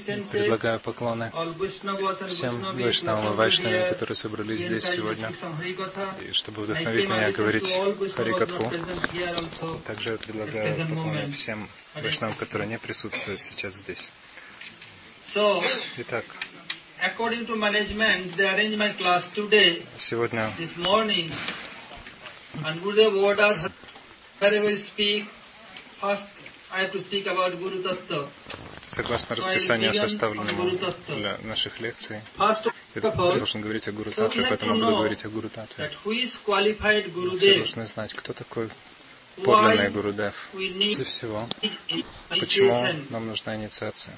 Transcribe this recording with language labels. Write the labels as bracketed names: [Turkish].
[Russian] Предлагаю поклоны всем Вишнам и Вайшнам, которые собрались здесь сегодня, и чтобы вдохновить меня говорить Харикатху. Также предлагаю поклоны всем Вишнам, которые не присутствуют сейчас здесь. Итак, [English] according to management, they arrange my class today. [Russian] Сегодня. [English] This morning, and Gurudev orders that I will speak. First, I have to speak about Guru Tattva. [Russian] Согласно расписанию, составленному для наших лекций, я должен говорить о Гуру Таттве, поэтому буду говорить о Гуру Таттве. [English] That who is qualified Guru Dev? [Russian] Все должны знать, кто такой. Подлинный Гурудев. Прежде всего, почему нам нужна инициация?